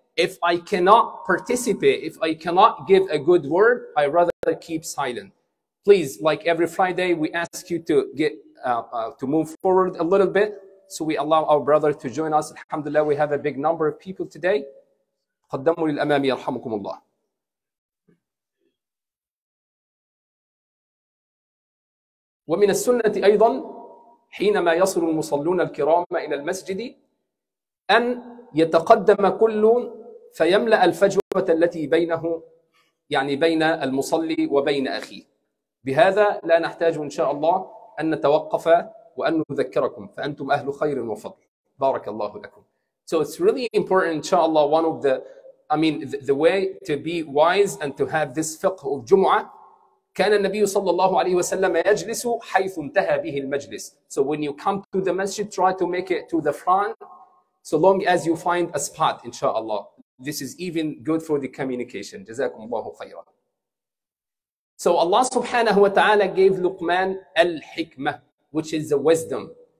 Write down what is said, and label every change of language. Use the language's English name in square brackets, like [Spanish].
[English] If I cannot participate, if I cannot give a good word, I rather keep silent. Please, like every Friday, we ask you to get to move forward a little bit, so we allow our brother to join us. Alhamdulillah, we have a big number of people today. [Arabic] قدموا للأمام يرحمكم الله. ومن السنة أيضا حينما يصل المصلون الكرام إلى المسجد أن يتقدم كل فيملأ الفجوة التي بينه يعني بين المصلي وبين أخيه. بهذا لا نحتاج إن شاء الله أن نتوقف وأن نذكركم، فأنتم أهل خير وفضل. بارك الله لكم. [English] So it's really important, inshallah, one of the, I mean, the way to be wise and to have this fiqh of Jumu'ah. [Arabic] كان النبي صلى الله عليه وسلم يجلس حيث انتهى به المجلس. [English] So when you come to the masjid, try to make it to the front, so long as you find a spot, inshallah. This is even good for the communication. [Arabic] جزاكم الله خيرا. [English] So Allah subhanahu wa ta'ala gave Luqman al-hikmah, which is the wisdom.